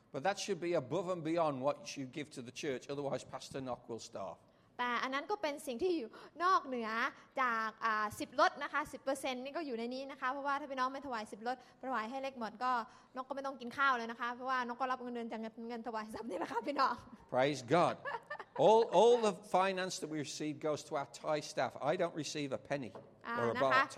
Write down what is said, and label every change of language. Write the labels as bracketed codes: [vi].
[en] But that should be above and beyond what you give to the church. Otherwise, Pastor Knock will starve. [th] แต่อันนั้นก็เป็นสิ่งที่อยู่นอกเหนือจาก10ลดนะคะ 10% นี่ก็อยู่ในนี้นะคะเพราะว่าถ้าพี่น้องไม่ถวาย10ลดถวายให้เล็กหมดก็นกก็ไม่ต้องกินข้าวเลยนะคะเพราะว่านกก็รับเงินเดือนจากเงินถวายซ้ำนี่แหละค่ะพี่น้อง [en] Praise God. All the finance that we receive goes to our Thai staff. I don't receive a penny or a baht.